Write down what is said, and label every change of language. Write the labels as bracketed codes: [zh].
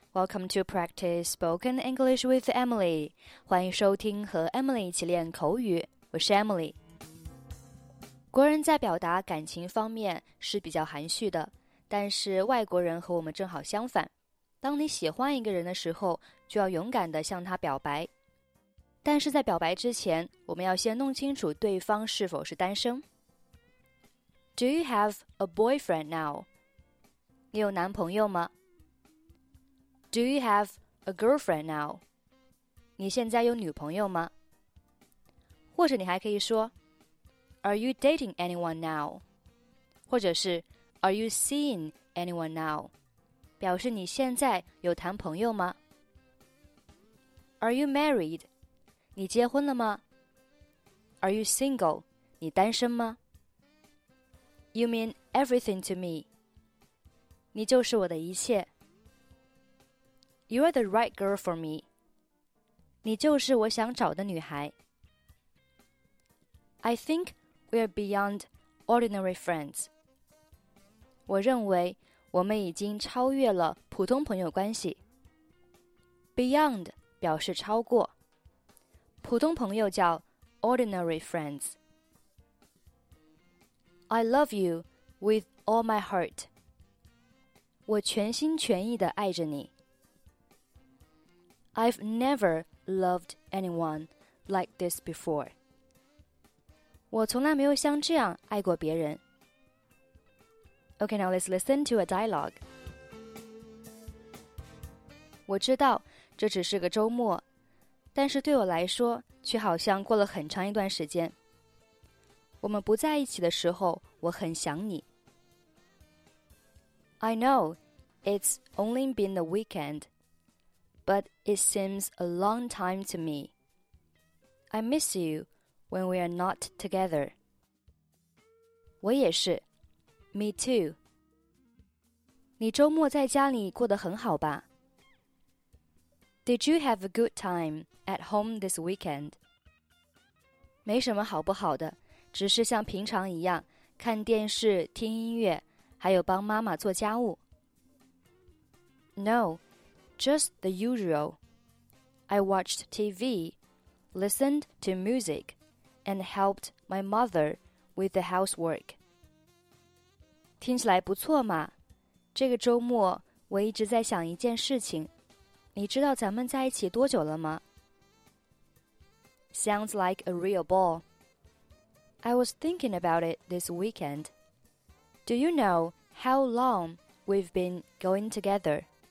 [en] Welcome to practice spoken English with Emily. [zh] 欢迎收听和 Emily 一起练口语。我是 Emily。国人在表达感情方面是比较含蓄的，但是外国人和我们正好相反。当你喜欢一个人的时候，就要勇敢地向他表白。但是在表白之前，我们要先弄清楚对方是否是单身。 [en] Do you have a boyfriend now? [zh] 你有男朋友吗？ [en] Do you have a girlfriend now? [zh] 你现在有女朋友吗？或者你还可以说 [en] Are you dating anyone now? [zh] 或者是 [en] Are you seeing anyone now? [zh] 表示你现在有谈朋友吗？ [en] Are you married? [zh] 你结婚了吗？ [en] Are you single? [zh] 你单身吗？ [en] You mean everything to me. [zh] 你就是我的一切。 [en] You are the right girl for me. [zh] 你就是我想找的女孩。 [en] I think we are beyond ordinary friends. [zh] 我认为我们已经超越了普通朋友关系。 Beyond 表示超过。普通朋友叫 ordinary friends. [en] I love you with all my heart. [zh] 我全心全意地爱着你。 [en] I've never loved anyone like this before. [zh] 我从来没有像这样爱过别人。 [en] Okay, now let's listen to a dialogue. [zh] 我知道这只是个周末，但是对我来说却好像过了很长一段时间。我们不在一起的时候，我很想你。 [en] I know it's only been the weekend. But it seems a long time to me. I miss you when we are not together. [zh] 我也是。 [en] Me too. [zh] 你周末在家里过得很好吧？ [en] Did you have a good time at home this weekend? [zh] 没什么好不好的，只是像平常一样，看电视，听音乐，还有帮妈妈做家务。 [en] No. Just the usual. I watched TV, listened to music, and helped my mother with the housework. [zh] 听起来不错嘛。这个周末我一直在想一件事情。你知道咱们在一起多久了吗？ [en] Sounds like a real ball. I was thinking about it this weekend. Do you know how long we've been going together?